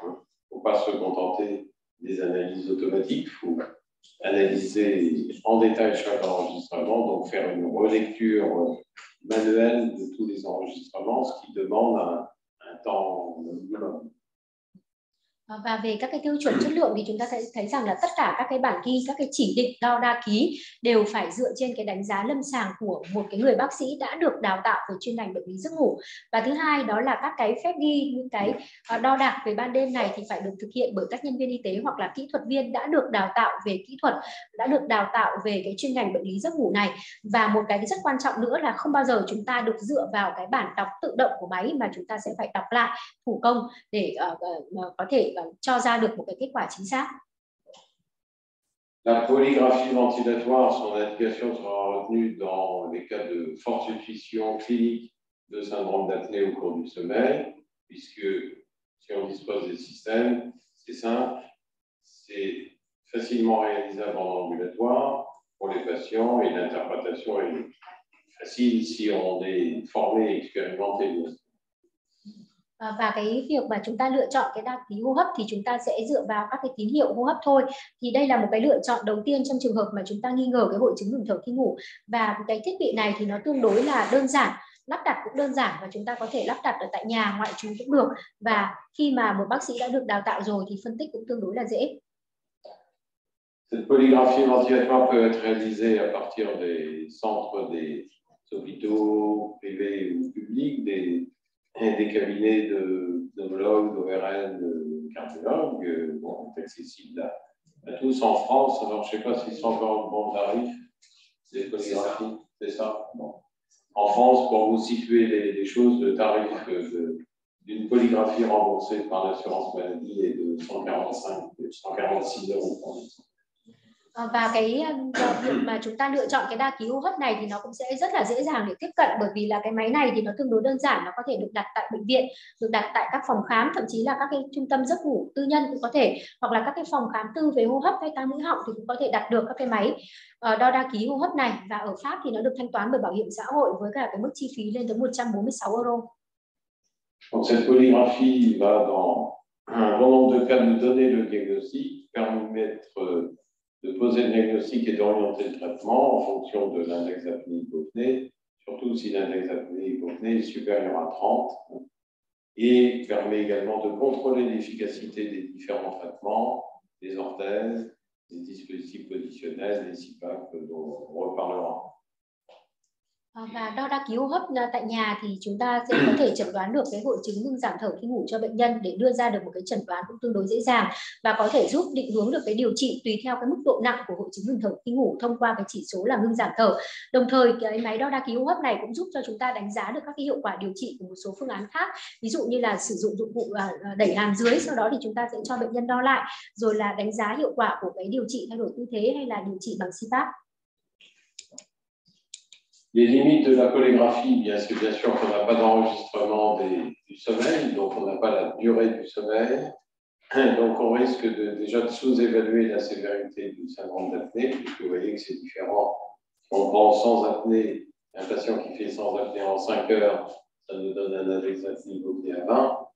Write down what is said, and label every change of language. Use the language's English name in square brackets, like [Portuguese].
[French] Il ne faut pas se contenter des analyses automatiques, il faut analyser en détail chaque enregistrement, donc faire une relecture manuelle de tous les enregistrements, ce qui demande un temps minimum. [Vietnamese] Và về các cái tiêu chuẩn chất lượng thì chúng ta thấy rằng là tất cả các cái bản ghi, các cái chỉ định đo đa ký đều phải dựa trên cái đánh giá lâm sàng của một cái người bác sĩ đã được đào tạo về chuyên ngành bệnh lý giấc ngủ. Và thứ hai đó là các cái phép ghi, những cái đo đạc về ban đêm này thì phải được thực hiện bởi các nhân viên y tế hoặc là kỹ thuật viên đã được đào tạo về kỹ thuật, đã được đào tạo về cái chuyên ngành bệnh lý giấc ngủ này. Và một cái rất quan trọng nữa là không bao giờ chúng ta được dựa vào cái bản đọc tự động của máy mà chúng ta sẽ phải đọc lại thủ công để có thể cho ra được một cái kết quả chính xác. [French] La polygraphie ventilatoire, son indication sera retenue dans les cas de forte suspicion clinique de syndrome d'apnée au cours du sommeil, puisque si on dispose des systèmes, c'est simple, c'est facilement réalisable en ambulatoire pour les patients et l'interprétation est facile si on est formé et expérimenté. [Vietnamese] Và cái việc mà chúng ta lựa chọn cái đa ký hô hấp thì chúng ta sẽ dựa vào các cái tín hiệu hô hấp thôi. Thì đây là một cái lựa chọn đầu tiên trong trường hợp mà chúng ta nghi ngờ cái hội chứng ngừng thở khi ngủ. Và cái thiết bị này thì nó tương đối là đơn giản, lắp đặt cũng đơn giản và chúng ta có thể lắp đặt ở tại nhà, ngoại trú cũng được. Và khi mà một bác sĩ đã được đào tạo rồi thì phân tích cũng tương đối là dễ. [French] Cette polygraphie ventilatoire peut être réalisée à partir des centres des hôpitaux privés ou publics, des et des cabinets d'homologues, d'ORL, de cardiologues, bon, accessibles à tous en France. Alors, je ne sais pas s'ils sont encore au bon tarif. C'est les polygraphies, c'est ça. Bon. En France, pour vous situer les choses, le tarif d'une polygraphie remboursée par l'assurance maladie est de 145-146 €. [Vietnamese] Và cái việc mà chúng ta lựa chọn cái đa ký hô hấp này thì nó cũng sẽ rất là dễ dàng để tiếp cận, bởi vì là cái máy này thì nó tương đối đơn giản, nó có thể được đặt tại bệnh viện, được đặt tại các phòng khám, thậm chí là các cái trung tâm giấc ngủ tư nhân cũng có thể, hoặc là các cái phòng khám tư về hô hấp hay tai mũi họng thì cũng có thể đặt được các cái máy đo đa ký hô hấp này. Và ở Pháp thì nó được thanh toán bởi bảo hiểm xã hội với cả cái mức chi phí lên tới 146 €. [French] Donc cette polygraphie va dans un bon nombre de cas nous donner le diagnostic, permettre de poser le diagnostic et d'orienter le traitement en fonction de l'index d'apnée hypopnée, surtout si l'index d'apnée hypopnée est supérieur à 30, et permet également de contrôler l'efficacité des différents traitements, des orthèses, des dispositifs positionnels, des CPAP dont on reparlera. [Vietnamese] Và đo đa ký hô hấp tại nhà thì chúng ta sẽ có thể chẩn đoán được cái hội chứng ngưng giảm thở khi ngủ cho bệnh nhân, để đưa ra được một cái chẩn đoán cũng tương đối dễ dàng và có thể giúp định hướng được cái điều trị tùy theo cái mức độ nặng của hội chứng ngưng thở khi ngủ thông qua cái chỉ số là ngưng giảm thở. Đồng thời cái máy đo đa ký hô hấp này cũng giúp cho chúng ta đánh giá được các cái hiệu quả điều trị của một số phương án khác, ví dụ như là sử dụng dụng cụ đẩy hàm dưới, sau đó thì chúng ta sẽ cho bệnh nhân đo lại, rồi là đánh giá hiệu quả của cái điều trị thay đổi tư thế hay là điều trị bằng CPAP. [French] Les limites de la polygraphie, bien, c'est bien sûr qu'on n'a pas d'enregistrement du sommeil, donc on n'a pas la durée du sommeil. Donc on risque déjà de sous-évaluer la sévérité du syndrome d'apnée, puisque vous voyez que c'est différent. On prend sans apnée, un patient qui fait sans apnée en 5 heures, ça nous donne un index d'apnée hypopnée à 20.